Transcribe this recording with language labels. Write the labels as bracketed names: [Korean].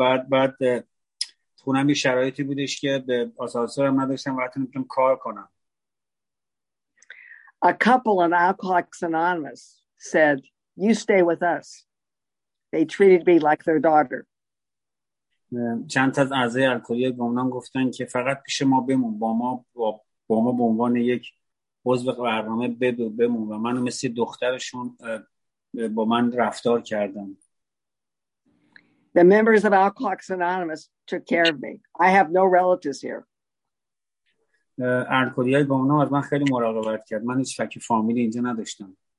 [Persian] بعد خونم یه شرایطی بودش که به آسانسورم نداشتم وقتی نمیتونم کار کنم. [English] A couple in Alcoholics Anonymous said, "You stay with us." They treated me like their daughter. [Persian] چند تا از اعضای الکلی گمنام گفتن که فقط پیش ما بمون، با ما به عنوان یک عضو برنامه بمون و منو مثل دخترشون با من رفتار کردن. [English] The members of Alcoholics Anonymous took care of me. I have no relatives here. [Persian] الکلی گمنام از من خیلی مراقبت کرد. من هیچ فکی فامیلی اینجا نداشتم.